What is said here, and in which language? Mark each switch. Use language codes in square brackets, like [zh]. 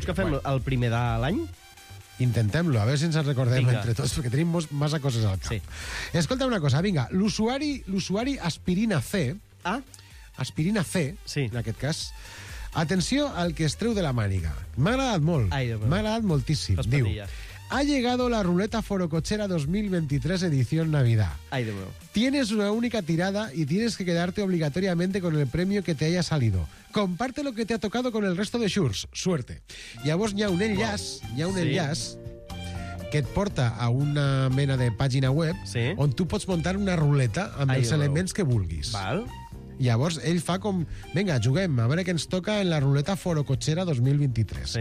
[ca] Vols que fem el primer de l'any? Intentem-lo, a veure si ens en recordem entre tots, perquè tenim massa coses al cap. Sí. Escolta una cosa, vinga, l'usuari Aspirina C... Ah? Aspirina C, sí. En aquest cas. Atenció al que es treu de la màniga. M'ha agradat molt. M'ha agradat moltíssim. Fas diu, patilla. [es] Ha llegado la ruleta forocochera 2023 edición Navidad. Ay, de nuevo. Tienes una única tirada y tienes que quedarte obligatoriamente con el premio que te haya salido. Comparte lo que te ha tocado con el resto de Shurs. Suerte. [ca] Llavors hi ha un enllaç, que et porta a una mena de pàgina web on tu pots muntar una ruleta amb els elements que vulguis. Val. Llavors ell fa com... Vinga, juguem, a veure què ens toca en la ruleta forocotxera 2023.